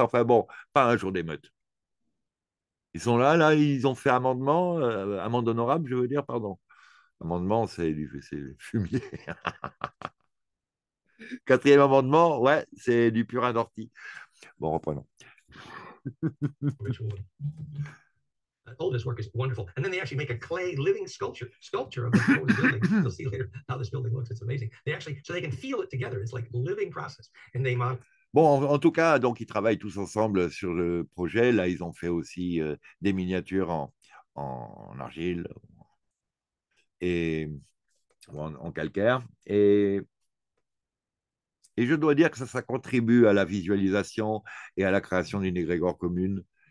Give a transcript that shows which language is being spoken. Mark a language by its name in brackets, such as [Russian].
[French] Enfin bon, pas un jour d'émeute. Ils sont là, ils ont fait amende honorable, je veux dire, pardon. Amendement, c'est du fumier. Quatrième amendement, ouais, c'est du purin d'ortie. Bon, reprenons. [English] All this work is wonderful. And then they actually make a clay living sculpture of the building. You'll see later how this building looks. It's amazing. They actually, so they can feel it together. It's like a living process. And they mount. [French] Bon, en tout cas, donc, ils travaillent tous ensemble sur le projet. Là, ils ont fait aussi des miniatures en argile et en calcaire. Et je dois dire que ça contribue à la visualisation et à la création d'une égrégore commune.